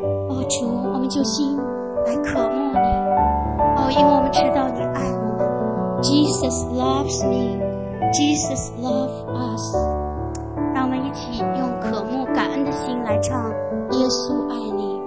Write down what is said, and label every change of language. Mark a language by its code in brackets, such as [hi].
[zh] 哦，主，我们就心来渴慕你。因为我们知道你爱我们。 [en] Jesus loves me, Jesus loves us. [zh] 让我们一起用渴慕感恩的心来唱耶稣爱你。